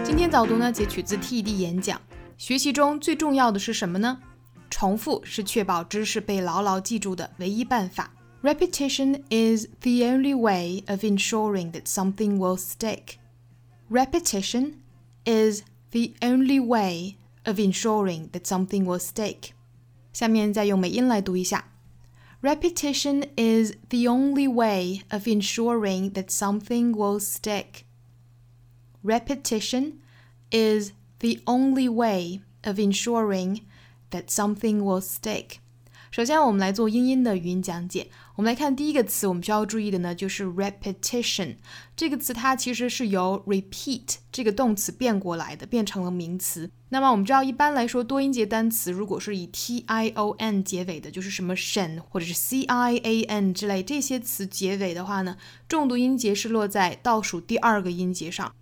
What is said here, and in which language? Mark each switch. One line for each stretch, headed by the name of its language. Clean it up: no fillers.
Chinese: 早读呢，截取自 TED 演讲。学习中最重要的是什么呢？重复是确保知识被牢牢记住的唯一办法。
English: Repetition is the only way of ensuring that something will stick. Repetition is the only way of ensuring that something will stick.
Chinese: 下面再用美音来读一下。
English: Repetition is the only way of ensuring that something will stick. Repetition. Is the only way of ensuring that something will stick.
Chinese: 首先我们来做英音的语音讲解。我们来看第一个词我们需要注意的呢，就是 repetition。这个词它其实是由 repeat 这个动词变过来的，变成了名词。那么我们知道一般来说多音节单词如果是以 t-i-o-n 结尾的，就是什么 shen 或者是 c-i-a-n 之类这些词结尾的话呢，重读音节是落在倒数第二个音节上。